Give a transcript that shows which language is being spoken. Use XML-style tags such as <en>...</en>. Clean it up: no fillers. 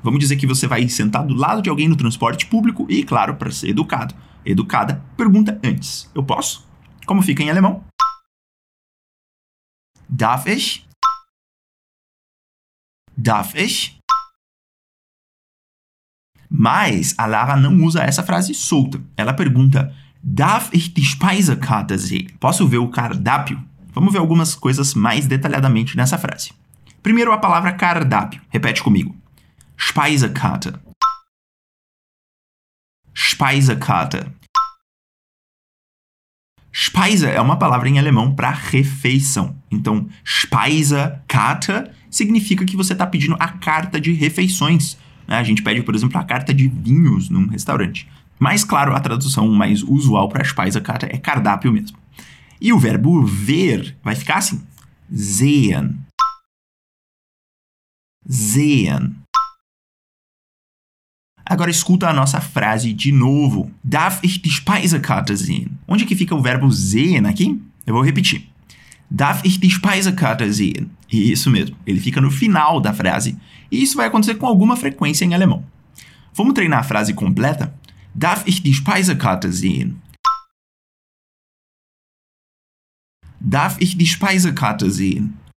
<pt>Vamos dizer que você vai sentar do lado de alguém no transporte público e, claro, para ser educado, educada, pergunta antes: eu posso? Como fica em alemão?</pt> <de>Darf ich? Darf ich?</de> <pt>Mas a Lara não usa essa frase solta. Ela pergunta: darf ich die Speisekarte sehen? Posso ver o cardápio? Vamos ver algumas coisas mais detalhadamente nessa frase. Primeiro, a palavra cardápio. Repete comigo: Speisekarte.</pt> <de>Speisekarte.</de> <pt>Speise é uma palavra em alemão para refeição. Então, Speisekarte significa que você está pedindo a carta de refeições. Né? A gente pede, por exemplo, a carta de vinhos num restaurante. Mas, claro, a tradução mais usual para Speisekarte é cardápio mesmo. E o verbo ver vai ficar assim: sehen.</pt> <de>Sehen.</de> <pt>Agora escuta a nossa frase de novo.</pt> <de>Darf ich die Speisekarte sehen?</de> <pt>Onde que fica o verbo sehen aqui? Eu vou repetir:</pt> <de>darf ich die Speisekarte sehen?</de> <pt>Isso mesmo, ele fica no final da frase. E isso vai acontecer com alguma frequência em alemão. Vamos treinar a frase completa?</pt> <de>Darf ich die Speisekarte sehen? Darf ich die Speisekarte sehen?</de>